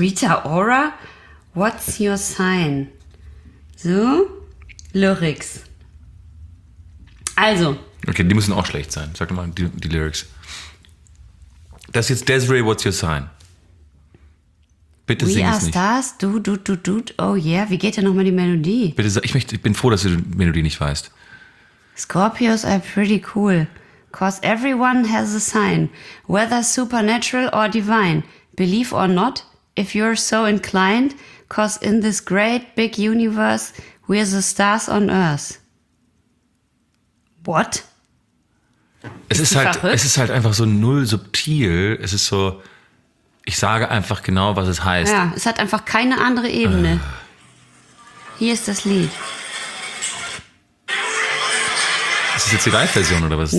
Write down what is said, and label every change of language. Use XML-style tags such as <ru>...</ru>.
<en>Rita Ora? What's your sign? So? Lyrics. Also...</en> <de>Okay, die müssen auch schlecht sein. Sag doch mal die Lyrics. Das ist jetzt Desiree, what's your sign? Bitte</de> <en>We</en> <de>sing es nicht.</de> <en>We are stars, du, oh yeah.</en> <de>Wie geht denn nochmal die Melodie? Bitte, ich bin froh, dass du die Melodie nicht weißt.</de> <en>Scorpios are pretty cool. Cause everyone has a sign. Whether supernatural or divine. Believe or not, if you're so inclined. Cause in this great big universe, we're the stars on earth. What?</en> <de>Es ist halt einfach so null subtil. Es ist so, ich sage einfach genau, was es heißt. Ja, es hat einfach keine andere Ebene. Hier ist das Lied. Ist das jetzt die Live-Version oder was ist</de>